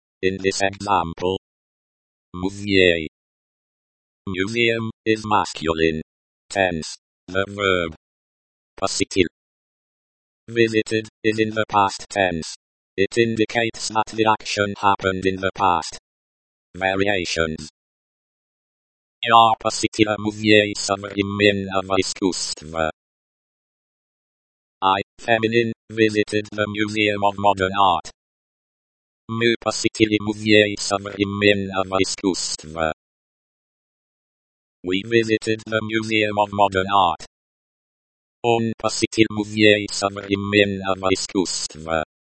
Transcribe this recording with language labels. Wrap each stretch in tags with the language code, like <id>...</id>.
<en>In this example, музей. Museum is masculine. Tense. The verb посетил. Visited is in the past tense. It indicates that the action happened in the past. Variations.</en> <ru>Я посетил музей современного искусства.</ru> <en>I, feminine, visited the Museum of Modern Art.</en> <ru>Мы посетили музей современного искусства.</ru> <en>We visited the Museum of Modern Art.</en> <ru>Он посетил музей современного искусства.</ru>